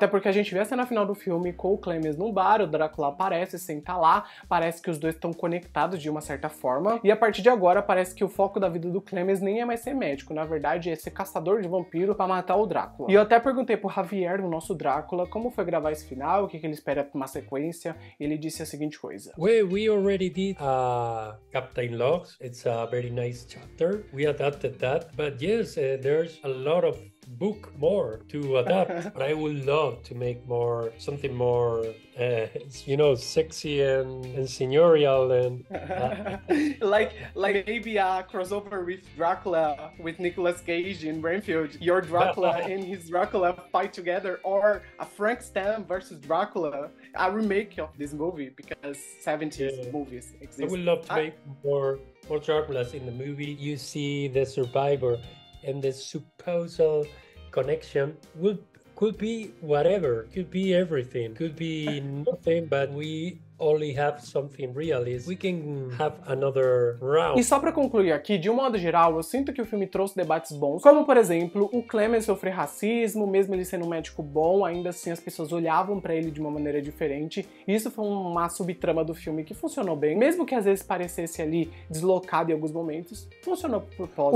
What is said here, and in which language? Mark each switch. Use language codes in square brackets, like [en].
[pt] Até porque a gente vê a cena final do filme com o Clemens num bar, o Drácula aparece, senta lá, parece que os dois estão conectados de uma certa forma. E a partir de agora, parece que o foco da vida do Clemens nem é mais ser médico. Na verdade, é ser caçador de vampiro pra matar o Drácula. E eu até perguntei pro Javier, o nosso Drácula, como foi gravar esse final, o que ele espera pra uma sequência. E ele disse a seguinte coisa. [en] We already did Captain Logs. It's a very nice chapter. We adapted that. But yes, there's a lot of book more to adapt. But I would love to make more, something more, you know, sexy and senorial and... like maybe a crossover with Dracula, with Nicolas Cage in Renfield. Your Dracula and his Dracula fight together, or a Frank Stam versus Dracula. A remake of this movie, because 70s movies exist. I would love to make more Draculas in the movie. You see the survivor and the supposed connection could be whatever, could be everything, could be nothing, but we only have something real is we can have another round. [pt] E só pra concluir aqui, de um modo geral, eu sinto que o filme trouxe debates bons, como por exemplo, o Clemens sofrer racismo, mesmo ele sendo um médico bom, ainda assim as pessoas olhavam pra ele de uma maneira diferente. Isso foi uma subtrama do filme que funcionou bem, mesmo que às vezes parecesse ali deslocado em alguns momentos, funcionou por propósito.